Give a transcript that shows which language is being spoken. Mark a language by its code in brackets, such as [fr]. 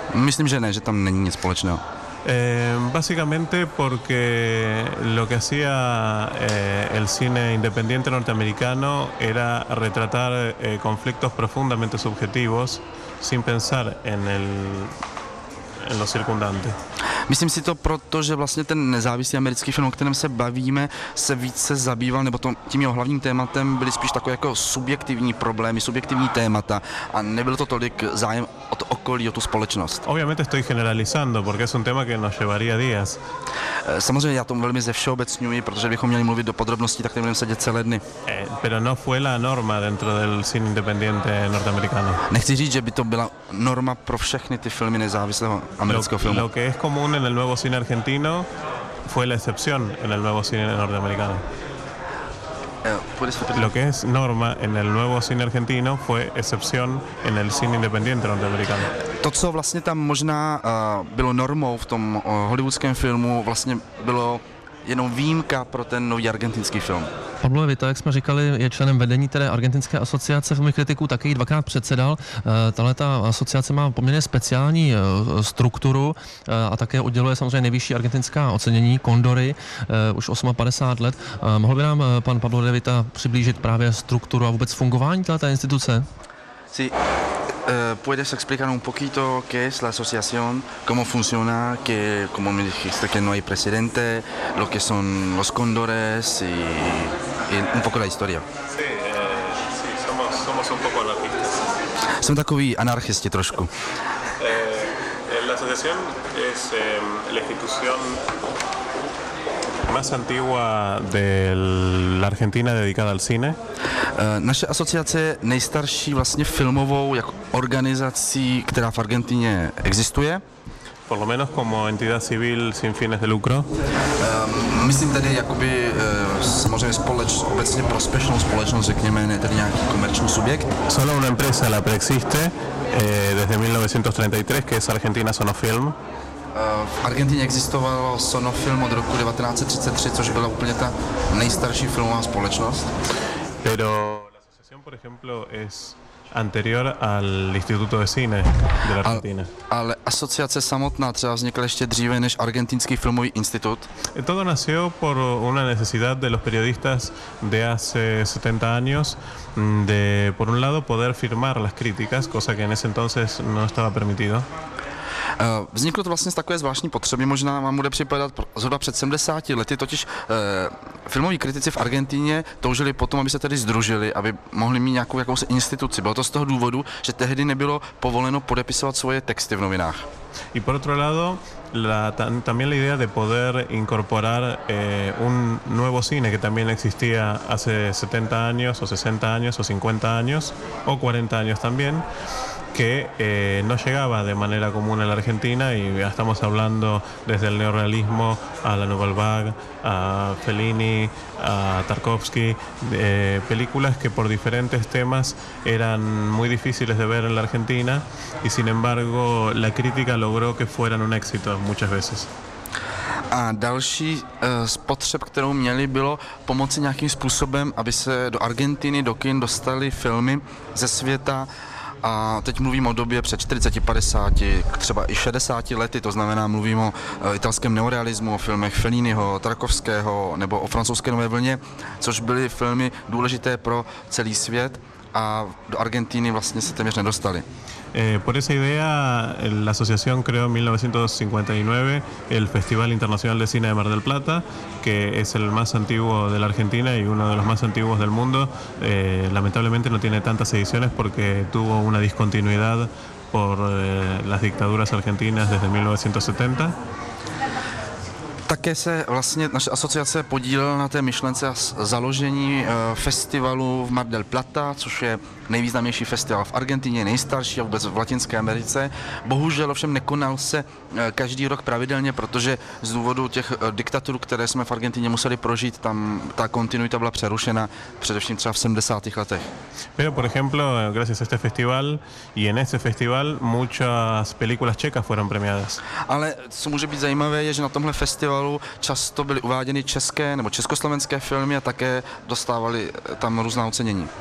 [cs] Myslím, že ne, že tam není nic společného. [es] Básicamente porque lo que hacía el cine independiente norteamericano era retratar conflictos profundamente subjetivos sin pensar en lo circundante. [cs] Myslím si to proto, že vlastně ten nezávislý americký film, o kterém se bavíme, se více zabýval, nebo tím jeho hlavním tématem byly spíš takové jako subjektivní problémy, subjektivní témata a nebyl to tolik zájem o to okolí, o tu společnost. [es] Obviamente estoy generalizando, porque es un tema que nos llevaría días. [cs] Samozřejmě já tomu velmi zevšeobecňuji, protože bychom měli mluvit do podrobností, tak tady budeme sedět celé dny. [es] Pero no fue la norma dentro del cine independiente norteamericano. [cs] Nechci říct, že by to byla norma pro všechny ty filmy nezávislého amerického filmu. [es] Lo que es común en el nuevo cine argentino fue la excepción en el nuevo cine norteamericano. Lo que es norma en el nuevo cine argentino fue excepción en el cine independiente norteamericano. [cs] To, co vlastně tam možná bylo normou v tom hollywoodském filmu, vlastně bylo jenom výjimka pro ten nový argentinský film. Pablo Evito, jak jsme říkali, je členem vedení té argentinské asociace filmových kritiků, taky ji dvakrát předsedal. Tahle ta asociace má poměrně speciální strukturu a také odděluje samozřejmě nejvyšší argentinská ocenění, Kondory, už 58 let. Mohl by nám pan Pablo Evito přiblížit právě strukturu a vůbec fungování této instituce? [es] Sí. ¿Puedes explicar un poquito qué es la asociación, cómo funciona, que como me dijiste que no hay presidente, lo que son los cóndores y un poco la historia? Sí, somos un poco anarquistas. [cs] Son takový anarchisti trošku. [es] La asociación es la institución más antigua de la Argentina dedicada al cine. [cs] Naše asociace je nejstarší vlastně filmovou jako organizací, která v Argentině existuje. [es] Por lo menos como entidad civil sin fines de lucro. [cs] Myslím tedy jakoby samozřejmě obecně prospěšnou společnost, řekněme, ne tedy nějaký komerční subjekt. [es] Solo una empresa la preexiste desde 1933, que es Argentina Sonofilm. [cs] V Argentině existovalo Sonofilm od roku 1933, což byla úplně ta nejstarší filmová společnost. [es] Pero la asociación, por ejemplo, es anterior al Instituto de Cine de la Argentina. [cs] Ale asociace samotná třeba vznikla ještě dříve než argentinský filmový institut. [es] Todo nació por una necesidad de los periodistas de hace 70 años de, por un lado, poder firmar las críticas, cosa que en ese entonces no estaba permitido. [cs] Vzniklo to vlastně z takové zvláštní potřeby, možná vám bude připadat zhruba před 70 lety, totiž filmoví kritici v Argentině toužili potom, aby se tedy sdružili, aby mohli mít nějakou jakousi instituci. Bylo to z toho důvodu, že tehdy nebylo povoleno podepisovat svoje texty v novinách. [es] Y por otro lado, también la idea de poder incorporar un nuevo cine que también existía hace 70 años o 60 años o 50 años o 40 años también, que no llegaba de manera común a la Argentina, y ya estamos hablando desde el neorrealismo a la Nouvelle Vague, a Fellini, a Tarkovsky, películas que por diferentes temas eran muy difíciles de ver en la Argentina, y sin embargo la crítica logró que fueran un éxito muchas veces. [cs] A další z potřeb, kterou měli, bylo pomoci nějakým způsobem, aby se do Argentiny, do kin dostali filmy ze světa. A teď mluvím o době před 40, 50, třeba i 60 lety, to znamená, mluvím o italském neorealismu, o filmech Felliniho, Tarkovského nebo o francouzské nové vlně, což byly filmy důležité pro celý svět a do Argentiny vlastně se téměř nedostali. [es] Por esa idea, la asociación creó en 1959 el Festival Internacional de Cine de Mar del Plata, que es el más antiguo de la Argentina y uno de los más antiguos del mundo. Lamentablemente no tiene tantas ediciones porque tuvo una discontinuidad por las dictaduras argentinas desde 1970. [cs] Také se vlastně naše asociace podílela na té myšlence a založení festivalu v Mar del Plata, což je nejvýznamnější festival v Argentině, nejstarší a vůbec v Latinské Americe. Bohužel ovšem nekonal se každý rok pravidelně, protože z důvodu těch diktatur, které jsme v Argentině museli prožít, tam ta kontinuita byla přerušena, především třeba v 70. letech. [es] Pero por ejemplo, gracias a este festival y en este festival muchas películas checas fueron premiadas. [cs] Ale co může být zajímavé, je, že na tomhle festivalu často byly uváděny české nebo československé filmy a také dostávali tam různá ocenění.